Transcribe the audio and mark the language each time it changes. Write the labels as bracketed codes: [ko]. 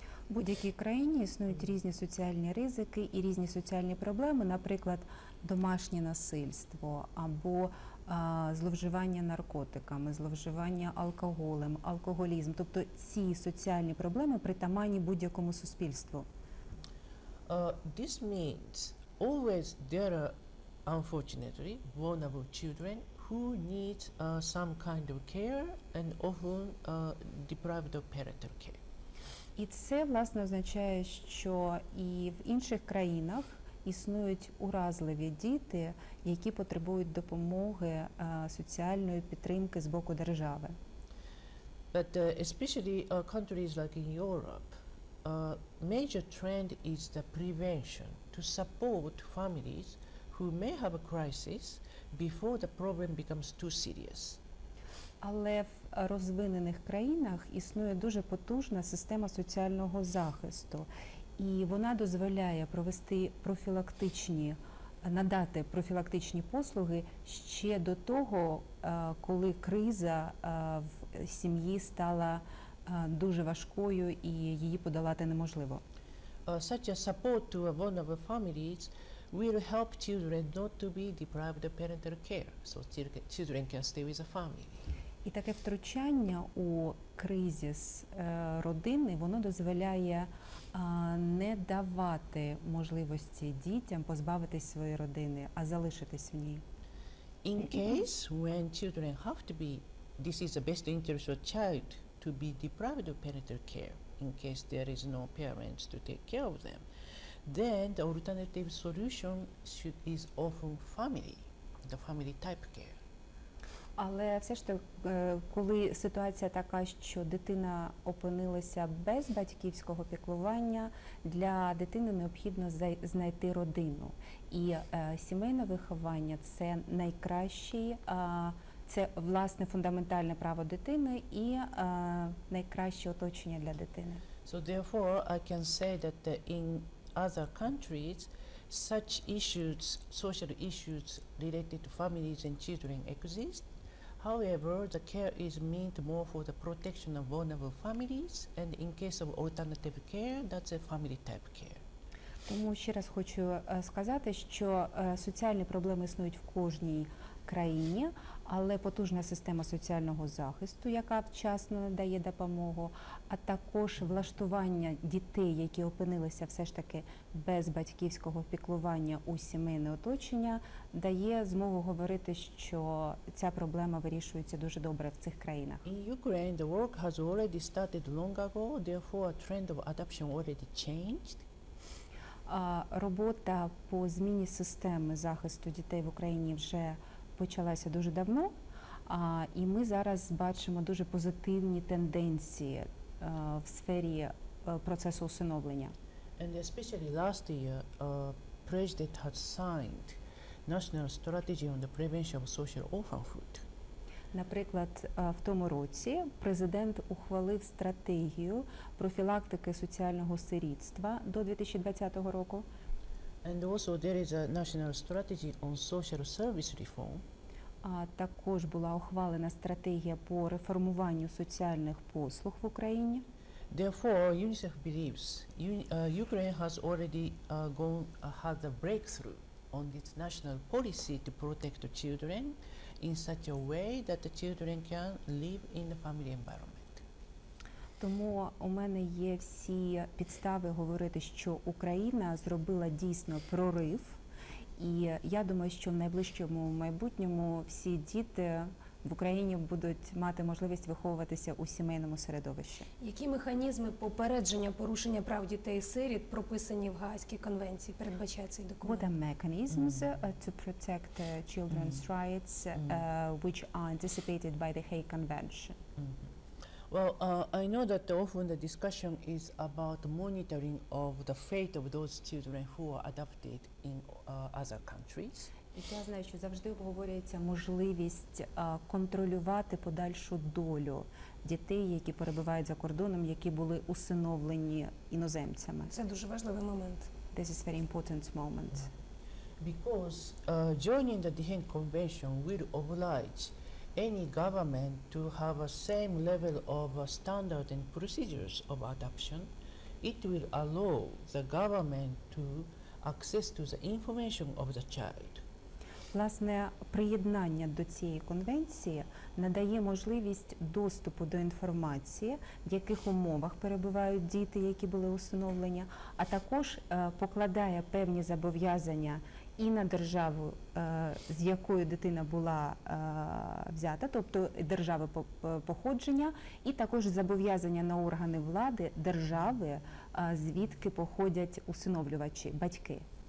[uk] В будь-якій країні існують різні соціальні ризики і різні соціальні проблеми, наприклад, домашнє насильство або зловживання наркотиками, зловживання алкоголем, алкоголізм. Тобто ці соціальні проблеми притаманні будь-якому суспільству. [en] This means always there are unfortunately vulnerable children who need some kind of care and often deprived of parental care. [uk] І це, власне, означає, що і в інших країнах існують уразливі діти, які потребують допомоги, соціальної підтримки з боку держави. [en] But especially countries like in Europe, major trend is the prevention to support families who may have a crisis before the problem becomes too serious. [uk] Але в розвинених країнах існує дуже потужна система соціального захисту. І вона дозволяє провести профілактичні, надати профілактичні послуги ще до того, коли криза в сім'ї стала дуже важкою і її подолати неможливо. [en] Such a support to vulnerable families will help children not to be deprived of parental care, so children can stay with the family. [uk] І таке втручання у кризис родини, воно дозволяє не давати можливості дітям позбавитись своєї родини, а залишитись в ній. [en] In case when children have to be, this is the best interest of child to be deprived of parental care, in case there is no parents to take care of them, then the alternative solution should is often family, the family type care. [uk] Але все ж таки, коли ситуація така, що дитина опинилася без батьківського піклування, для дитини необхідно знайти родину. І сімейне виховання – це найкращий, це, власне, фундаментальне право дитини і найкраще оточення для дитини. [en] So, therefore, I can say that in other countries, such issues, social issues related to families and children exist. However, the care is meant more for the protection of vulnerable families, and in case of alternative care, that's a family type care. [uk] Тому ще раз хочу сказати, що соціальні проблеми існують в кожній країні, але потужна система соціального захисту, яка вчасно надає допомогу, а також влаштування дітей, які опинилися все ж таки без батьківського піклування у сімейне оточення, дає змогу говорити, що ця проблема вирішується дуже добре в цих країнах. [en] In Ukraine, the work has already started long ago, therefore trend of adoption already changed. [uk] Робота по зміні системи захисту дітей в Україні вже почалася дуже давно, і ми зараз бачимо дуже позитивні тенденції в сфері процесу усиновлення. [en] And especially last year, President had signed National Strategy on the Prevention of Social Orphanhood. [uk] Наприклад, в тому році президент ухвалив стратегію профілактики соціального сирітства до 2020 року. [en] And also there is a National Strategy on Social Service Reform. [uk] Також була ухвалена стратегія по реформуванню соціальних послуг в Україні. [en] Therefore, UNICEF believes Ukraine has already had a breakthrough on its national policy to protect children in such a way that the children can live in the family environment. [uk] Тому у мене є всі підстави говорити, що Україна зробила дійсно прорив. І я думаю, що в найближчому майбутньому всі діти в Україні будуть мати можливість виховуватися у сімейному середовищі. Які механізми попередження порушення прав дітей-сиріт прописані в Гаазькій конвенції, передбачає цей документ? [en] What are mechanisms to protect children's rights which are anticipated by the Hague Convention? Well, I know that often the discussion is about monitoring of the fate of those children who are adopted in other countries. [uk] І я знаю, що завжди обговорюється можливість контролювати подальшу долю дітей, які перебувають за кордоном, які були усиновлені іноземцями. Це дуже важливий момент. [en] This is very important moment. Because joining the Hague Convention will oblige any government to have a same level of standard and procedures of adoption, it will allow the government to access to the information of the child. [uk] Власне, приєднання до цієї конвенції надає можливість доступу до інформації, в яких умовах перебувають діти, які були усиновлені, а також покладає певні зобов'язання і на державу, з якої дитина була взята, тобто держави походження, і також зобов'язання на органи влади держави, звідки походять усиновлювачі, батьки.